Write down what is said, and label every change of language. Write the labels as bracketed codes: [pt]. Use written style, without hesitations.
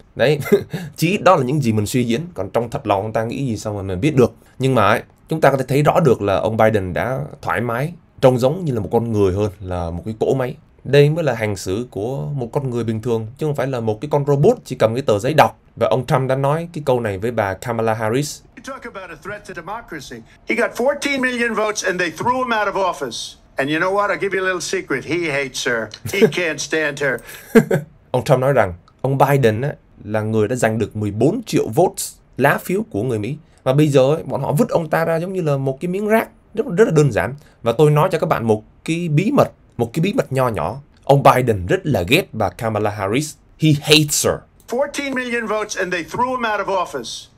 [vi] Đấy, chỉ đó là những gì mình suy diễn. Còn trong thật lòng ông ta nghĩ gì sao mà mình biết được. Nhưng mà ấy, chúng ta có thể thấy rõ được là ông Biden đã thoải mái, trông giống như là một con người hơn là một cái cỗ máy. Đây mới là hành xử của một con người bình thường, chứ không phải là một cái con robot chỉ cầm cái tờ giấy đọc. Và ông Trump đã nói cái câu này với bà Kamala Harris. [en] Talk about a threat to democracy. He got 14 million votes and they threw him out of office. And you know what? I'll give you a little secret. He hates her. He can't stand her. [vi] Ông Trump nói rằng ông Biden á, là người đã giành được 14 triệu votes, lá phiếu của người Mỹ. Và bây giờ ấy, bọn họ vứt ông ta ra giống như là một cái miếng rác. Rất là đơn giản. Và tôi nói cho các bạn một cái bí mật. Một cái bí mật nho nhỏ. Ông Biden rất là ghét bà Kamala Harris. [en] He hates her. 14 million votes and they threw him out of office.